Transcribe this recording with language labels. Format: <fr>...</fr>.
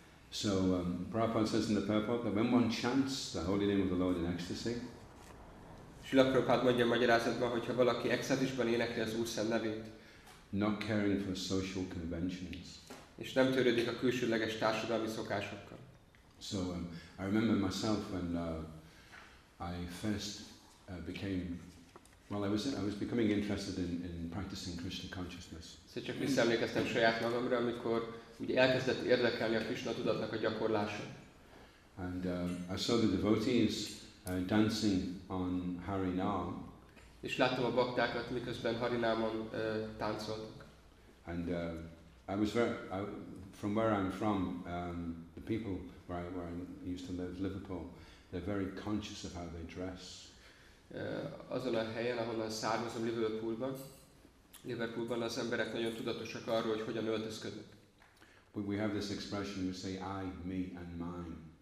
<en>So Prabhupada says in the purport that when one chants the holy name of the Lord in ecstasy,</en> <hu>Srila Prabhupada mondja a magyarázatban, hogyha valaki extázisban énekli az Úr szent nevét,</hu> <en>not caring for social conventions,</en> <hu>és nem törődik a külsőleges társadalmi szokásokkal.</hu> <en>So I remember myself when I first became, well, I was becoming interested in practicing Krishna consciousness.</en> <hu>Szóval csak visszaemlékeztem saját magamra, amikor ugye elkezdett érdekelni a Krishna tudatnak a gyakorlása.</hu> <en>And I saw the devotees dancing on Harinam.</en> <hu>És láttam a baktákat, miközben Harinámon táncoltak.</hu> <en>And I was very, from where I'm from, the people where I used to live, Liverpool, they're very conscious of how they dress.</en> <hu>Azon a helyen, ahonnan származom, Liverpoolban az emberek nagyon tudatosak arról, hogy hogyan öltözködnek.</hu> <en>But we have this expression, we say I, me and mine.</en>